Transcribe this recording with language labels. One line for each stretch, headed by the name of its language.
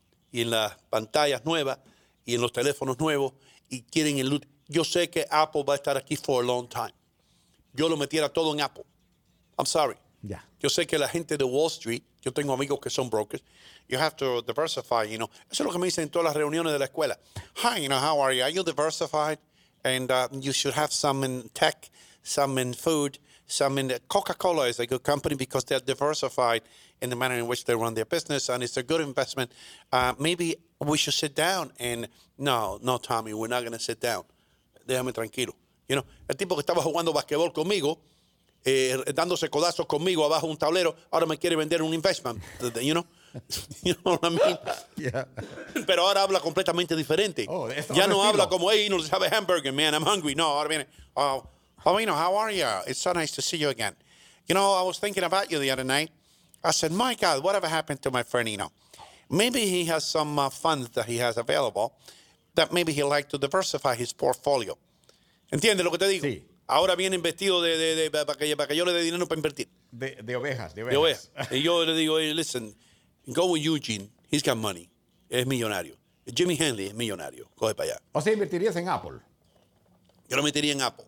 Spanish: Y en las pantallas nuevas, y en los teléfonos nuevos, y quieren el loot. Yo sé que Apple va a estar aquí
English: for a long time.
Spanish: Yo lo metiera todo en Apple.
English: I'm sorry. Yeah.
Spanish: Yo sé que la gente de Wall Street, yo tengo amigos que son brokers,
English: you have to diversify, you know.
Spanish: Eso es lo que me dicen en todas las reuniones de la escuela.
English: Hi, you know, how are you? Are you diversified? And you should have some in tech, some in food, some in Coca-Cola is a good company because they're diversified in the manner in which they run their business and it's a good investment. Maybe we should sit down and no, Tommy, we're not going to sit down.
Spanish: Déjame tranquilo. You know, el tipo que estaba jugando basquetbol conmigo, dándose codazos conmigo abajo un tablero, ahora me quiere vender un investment,
English: you know what I mean? Yeah.
Spanish: Pero ahora habla completamente diferente. Oh, ya no estilo. Habla como,
English: hey, no, let's have a hamburger, man, I'm hungry.
Spanish: No, ahora viene,
English: oh, you know, how are you? It's so nice to see you again. You know, I was thinking about you the other night. I said, my God, whatever happened to my friend, you know? Maybe he has some funds that he has available that maybe he'd like to diversify his portfolio.
Spanish: ¿Entiendes lo que te digo? Sí. Ahora vienen vestidos para que yo le dé dinero para invertir. De ovejas.
English: Y yo le digo, hey, listen, go with Eugene. He's got money.
Spanish: Es millonario. Jimmy Henley es millonario. Coge para allá. O sea, ¿invertirías en Apple? Yo lo metería en Apple.